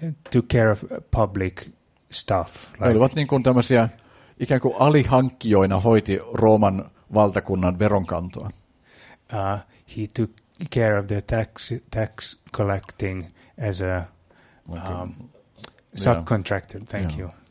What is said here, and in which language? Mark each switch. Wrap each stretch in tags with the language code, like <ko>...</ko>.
<en>Took care of public stuff. Like.</en> <fi>Ne olivat niin kuin tämmöisiä ikään kuin alihankkijoina hoiti Rooman valtakunnan veronkantoa.</fi> <en>He took care of the tax collecting as a... Subcontractor, thank you.</en>